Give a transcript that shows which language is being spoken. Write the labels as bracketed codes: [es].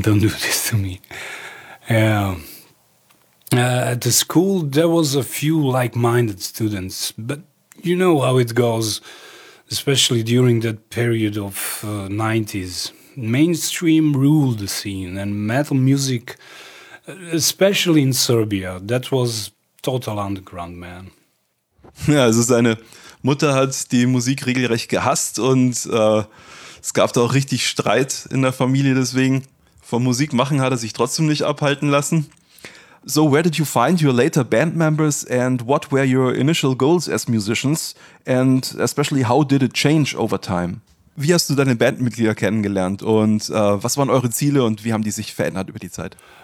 [en] Don't do this to me. Yeah. At the school, there was a few like-minded students, but you know how it goes, especially during that period of 90s. Mainstream ruled the scene, and metal music, especially in Serbia, that was total underground, man. [de] Ja, also seine Mutter hat die Musik regelrecht gehasst und es gab da auch richtig Streit in der Familie, deswegen vom Musikmachen hat er sich trotzdem nicht abhalten lassen. [en] So, where did you find your later band members and what were your initial goals as musicians and especially how did it change over time? [de] Wie hast du deine Bandmitglieder kennengelernt und was waren eure Ziele und wie haben die sich verändert über die Zeit?